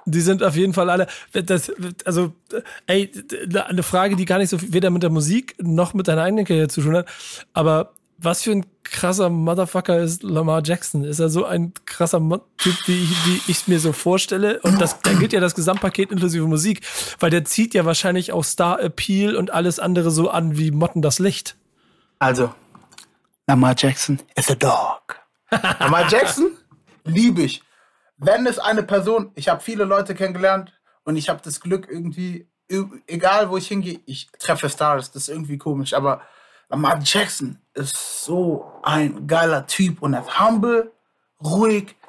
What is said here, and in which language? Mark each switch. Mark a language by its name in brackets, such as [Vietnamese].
[German] Die sind auf jeden Fall alle, das, also ey, eine Frage, die gar nicht so weder mit der Musik noch mit deiner eigenen Karriere zu tun hat, aber was für ein krasser Motherfucker ist Lamar Jackson? Ist er so ein krasser Typ, wie ich es mir so vorstelle? Und das, da gilt ja das Gesamtpaket inklusive Musik, weil der zieht ja wahrscheinlich auch Star-Appeal und alles andere so an wie Motten das Licht. [English] Also, Lamar Jackson is a dog. [German] Lamar Jackson liebe ich. Wenn es eine Person, ich habe viele Leute kennengelernt und ich habe das Glück irgendwie, egal wo ich hingehe, ich treffe Stars, das ist irgendwie komisch, aber Lamar Jackson ist so ein geiler Typ und er ist humble, ruhig.